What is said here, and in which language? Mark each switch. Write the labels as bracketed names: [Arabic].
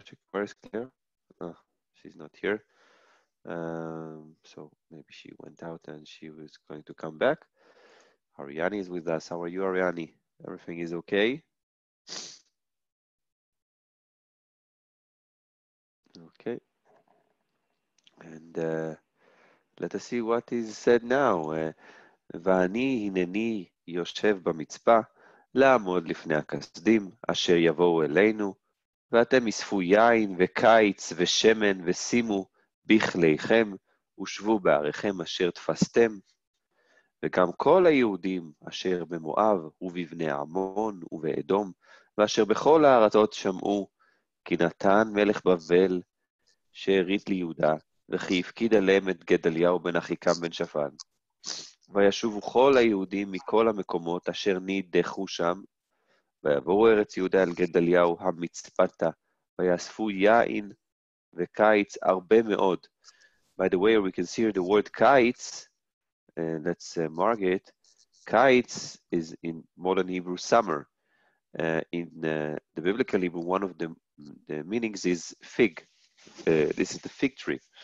[English] Where's Claire? Oh, she's not here. So maybe she went out and she was going to come back. Ariane is with us. How are you, Ariane? Everything is okay? Okay. And let us see what is said now. [Hebrew] Vani hineni yoshev b'mitzpa la'amod lifnei hakasdim asher yavou eleinu ואתם אספו יין וקיץ ושמן ושימו בכליכם ושבו בעריכם אשר תפסתם. וגם כל היהודים אשר במואב ובבני עמון ובאדום ואשר בכל הארצות שמעו כי נתן מלך בבל שהרית ליהודה וכי הפקיד עליהם את גדליהו בן אחיקם בן שפן. וישובו כל היהודים מכל המקומות אשר נידחו שם ויבואו ארץ יהודה אל גדליהו המצפתה, ויאספו יין וקיץ הרבה מאוד. [English] By the way, we can see here the word קיץ, and let's mark it. קיץ is in modern Hebrew summer. In the biblical Hebrew, one of the meanings is fig. This is the fig tree.